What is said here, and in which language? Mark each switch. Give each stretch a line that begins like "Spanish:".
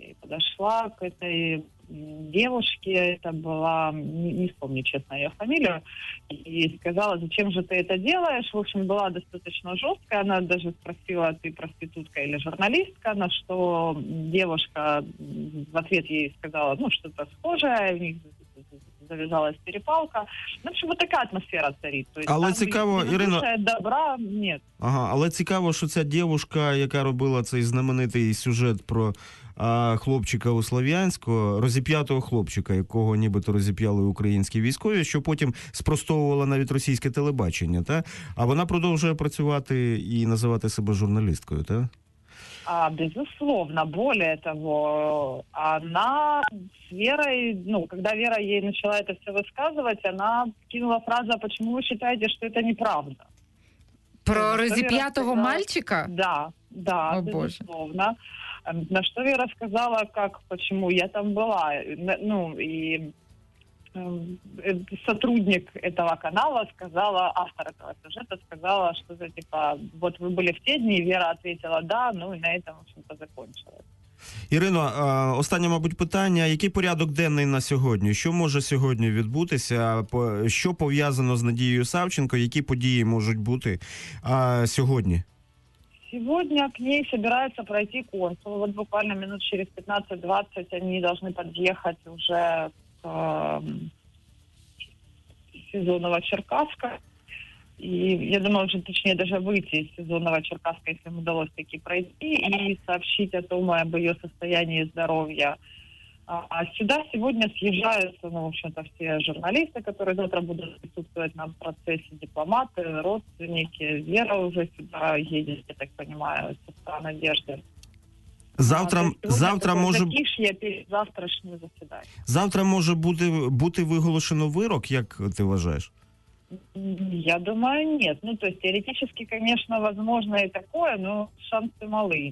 Russian: И подошла к этой девушке, это была, не вспомню честно ее фамилию, и сказала, зачем же ты это делаешь? В общем, была достаточно жесткая, она даже спросила, ты проститутка или журналистка, на что девушка в ответ ей сказала, ну, что-то схожее, у них завязалась перепалка. Ну, в общем, вот така атмосфера царит. То
Ukrainian: есть, але там, цікаво, Ірино... Добра, нет. Ага, але цікаво, що ця дівчина, яка робила цей знаменитий сюжет про хлопчика у Слов'янську, розіп'ятого хлопчика, якого нібито розіп'яли українські військові, що потім спростовувала навіть російське телебачення, та? А вона продовжує працювати і називати себе журналісткою, так?
Russian: Безусловно, более того,
Ukrainian: вона з Верою, ну, коли Вера їй почала це все висказувати, вона кинула фразу, чому ви вважаєте, що це неправда? Про розіп'ятого мальчика?
Russian: Да, да, о, безусловно. Боже. На что я рассказала, как, почему я там была. Ну, и сотрудник этого канала сказала, автор этого сюжета сказала, что, типа, вот вы были в те дни, и Вера ответила «да», ну и на этом, в общем-то, закончилось.
Ukrainian: Ірино, останнє, мабуть, питання. Який порядок денний на сьогодні? Що може сьогодні відбутися? Що пов'язано з Надією Савченко? Які події можуть бути сьогодні?
Russian: Сегодня к ней собираются пройти консул. Вот буквально минут через 15-20 они должны подъехать уже к Сезоново-Черкасска. И я думаю, уже точнее даже выйти из Сезоново-Черкасска, если им удалось таки пройти, и сообщить о том, об ее состоянии здоровья. А сюда сегодня съезжаются, ну, в общем-то, все журналисты, которые завтра будут присутствовать на процессе, дипломаты, родственники. Вера уже сюда едет, я так понимаю, сестра Надежды.
Ukrainian: Завтра може...
Russian: Закишье перед завтрашним заседанием.
Ukrainian: Завтра може бути виголошено вирок, як ти вважаєш?
Russian: Я думаю, нет. Ну, то есть, теоретически, конечно, возможно и такое, но шансы малы.